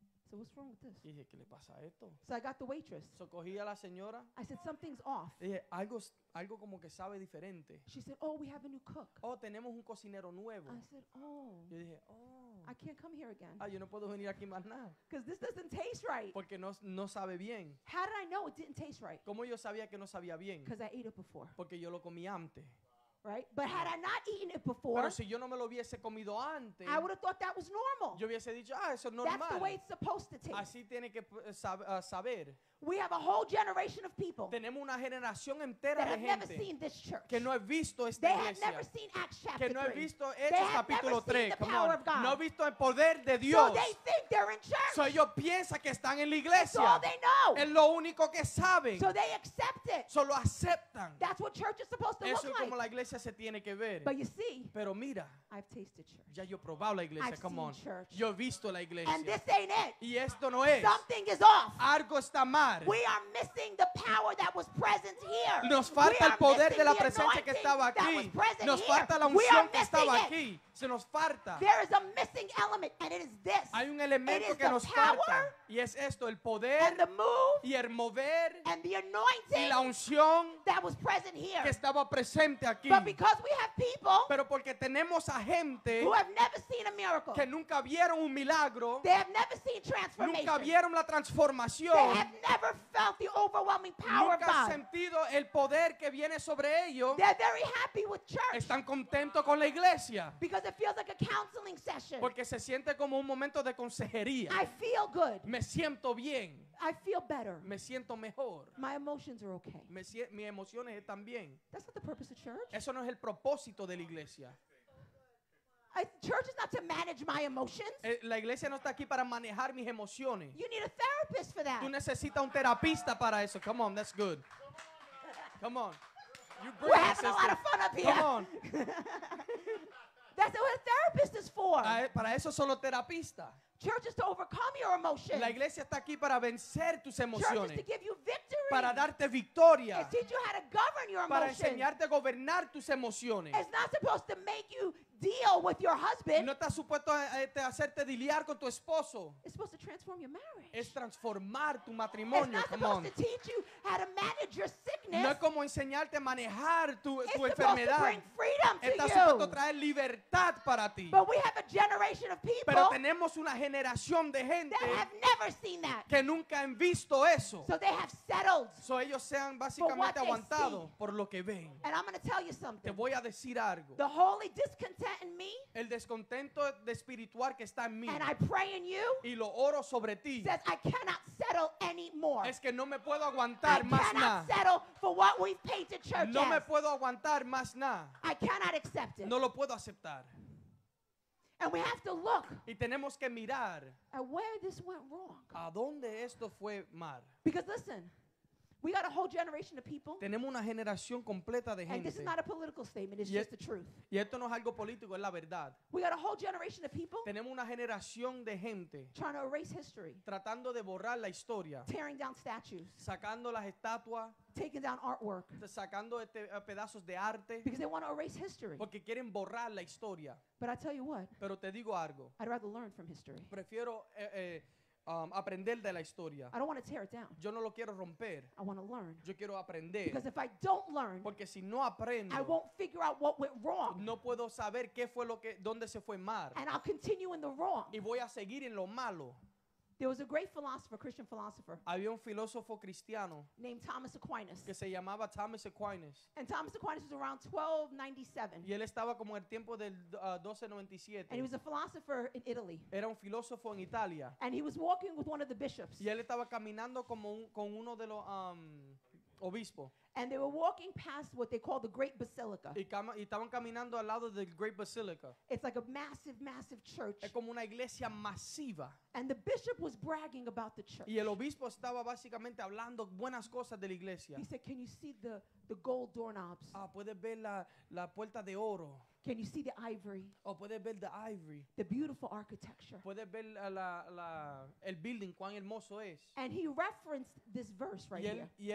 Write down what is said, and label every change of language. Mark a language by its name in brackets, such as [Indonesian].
[English] So what's wrong with this? [Spanish] Y dije, ¿qué le pasa a esto? [English] So I got the waitress. [Spanish] So cogí a la señora. [English] I said, something's off. [Spanish] Y dije, algo como que sabe diferente. [English] She said, oh, we have a new cook. [Spanish] Oh, tenemos un cocinero nuevo. [English] I said, oh. [Spanish] Yo dije, oh. [English] I can't come here again. [Spanish] Ah, yo no puedo venir aquí más nada. [English] Because this doesn't taste right. [Spanish] Porque no sabe bien. [English] How did I know it didn't taste right? [Spanish] ¿Cómo yo sabía que no sabía bien? [English] Because I ate it before. [Spanish] Porque yo lo comí antes. [English] Right, but had I not eaten it before, [Spanish] pero si yo no me lo hubiese comido antes, [English] I would have thought that was normal. [Spanish] Yo hubiese dicho, ah, eso es normal. [English] That's the way it's supposed to taste. [Spanish] Así tiene que saber. [English] We have a whole generation of people. [Spanish] Tenemos una generación entera [English] that [Spanish] de [English] have [Spanish] gente [English] never seen this church. [Spanish] Que no ha visto esta [English] they [Spanish] iglesia. [English] Have never seen Acts chapter 3. [Spanish] Que no ha visto Hechos capítulo 3. [English] Come on. [Spanish] No ha visto el poder de Dios. [English] So they think they're in church. So [Spanish] ellos piensan que están en la iglesia. [English] That's all they know. [Spanish] Es lo único que saben. [English] So they accept it. So [Spanish] lo aceptan. [English] That's what church is supposed to [Spanish] eso [English] look like. [Spanish] Es como la iglesia se tiene que ver. [English] But you see. [Spanish] Pero mira. [English] I've tasted church. [Spanish] Ya yo he probado la iglesia. [English] I've come seen on. Church. [Spanish] Yo he visto la iglesia. [English] And this ain't it. [Spanish] Y esto no es. [English] Something is off. [Spanish] Algo está mal. [English] We are missing the power that was present here. [Spanish] Nos falta el poder de la presencia que estaba aquí. Nos falta la unción que estaba aquí. Se nos falta. [English] There is a missing element, and it is this. [Spanish] Hay un elemento que nos falta. Y es esto, el poder. [English] And the move. [Spanish] Y el mover. [English] And the anointing. [Spanish] Y la unción. [English] That was present here. [Spanish] Que estaba presente aquí. [English] But because we have people. [Spanish] Pero porque tenemos a gente. [English] Who have never seen a miracle. [Spanish] Que nunca vieron un milagro. [English] They have never seen transformation. [Spanish] Nunca vieron la transformación. [English] They have never felt the overwhelming power of God. [Spanish] Nunca sentido el poder que viene sobre ellos. [English] They're very happy with church. [Spanish] Están contentos con la iglesia. [English] Because it feels like a counseling session. [Spanish] Porque se siente como un momento de consejería. [English] I feel good. [Spanish] Me siento bien. [English] I feel better. [Spanish] Me siento mejor. [English] My emotions are okay. [Spanish] Mis emociones están bien. [English] That's not the purpose of church. [Spanish] Eso no es el propósito de la iglesia. [English] Church is not to manage my emotions. [Spanish] La iglesia no está aquí para manejar mis emociones. [English] You need a therapist for that. [Spanish] Tú necesitas un terapista para eso. [English] Come on, that's good. Come on. We're having sister. A lot of fun up here. Come on. That's what a therapist is for. [Spanish] Para eso solo terapista. [English] Church is to overcome your emotions. [Spanish] La iglesia está aquí para vencer tus emociones. [English] Church is to give you victory. [Spanish] Para darte victoria. [English] And teach you how to govern your emotions. [Spanish] Para enseñarte a gobernar tus emociones. [English] It's not supposed to make you deal with your husband. [Spanish] No está supuesto a hacerte lidiar con tu esposo. [English] It's supposed to transform your marriage. [Spanish] Es transformar tu matrimonio. [English] It's not supposed to teach you how to manage your sickness. [Spanish] No es como enseñarte a manejar tu enfermedad. [English] It's supposed to bring freedom to you. [Spanish] Está supuesto traer libertad para ti. [English] But we have a generation of people. [Spanish] Pero tenemos una generación de gente [English] that have never seen that. [Spanish] Que nunca han visto eso. [English] So they have settled. So [Spanish] ellos se han básicamente aguantado por lo que ven. [English] And I'm going to tell you something. [Spanish] Te voy a decir algo. [English] The holy discontent. [Spanish] El descontento espiritual que está en mí. [English] And I pray in you. [Spanish] Y lo oro sobre ti. [English] Says I cannot settle anymore. [Spanish] Es que no me puedo aguantar más nada. [English] I cannot settle for what we've paid to church. [Spanish] No me puedo aguantar más nada. [English] I cannot accept it. [Spanish] No lo puedo aceptar. [English] And we have to look. [Spanish] Y tenemos que mirar. [English] At where this went wrong. [Spanish] ¿A dónde esto fue mal? [English] Because listen. We got a whole generation of people. [Spanish] Tenemos una generación completa de gente. [English] And this is not a political statement, it's just the truth. [Spanish] Y esto no es algo político, es la verdad. [English] We got a whole generation of people. [Spanish] Tenemos una generación de gente. [English] Trying to erase history. [Spanish] Tratando de borrar la historia. [English] Tearing down statues. [Spanish] Sacando las estatuas. [English] Taking down artwork. [Spanish] Sacando pedazos de arte. [English] Because they want to erase history. [Spanish] Porque quieren borrar la historia. [English] But I tell you what. [Spanish] Pero te digo algo. [English] I'd rather learn from history. [Spanish] Prefiero aprender de la historia. [English] I don't want to tear it down. [Spanish] Yo no lo quiero romper. [English] I want to learn. [Spanish] Yo quiero aprender. [English] Because if I don't learn, [Spanish] porque si no aprendo, [English] I won't figure out what went wrong. [Spanish] No puedo saber qué fue lo que dónde se fue mal. [English] And I'll continue in the wrong. [Spanish] Y voy a seguir en lo malo. [English] There was a great philosopher, Christian philosopher. [Spanish] Había un filósofo cristiano [English] named Thomas Aquinas. [Spanish] Que se llamaba Thomas Aquinas. [English] And Thomas Aquinas was around 1297. [Spanish] Y él estaba como en el tiempo del 1297. [English] And he was a philosopher in Italy. [Spanish] Era un filósofo en Italia. [English] And he was walking with one of the bishops. [Spanish] Y él estaba caminando como con uno de los obispos. [English] And they were walking past what they call the Great Basilica. [Spanish] Y estaban caminando al lado de la Great Basilica. [English] It's like a massive, massive church. [Spanish] Es como una iglesia masiva. [English] And the bishop was bragging about the church. [Spanish] Y el obispo estaba básicamente hablando buenas cosas de la iglesia. [English] He said, "Can you see the gold doorknobs?" [Spanish] Ah, puedes ver la puerta de oro. [English] Can you see the ivory? [Spanish] Oh, puedes ver [English] the ivory. The beautiful architecture. [Spanish] Puedes ver el [English] building, [Spanish] cuán hermoso es. [English] And he referenced this verse right here.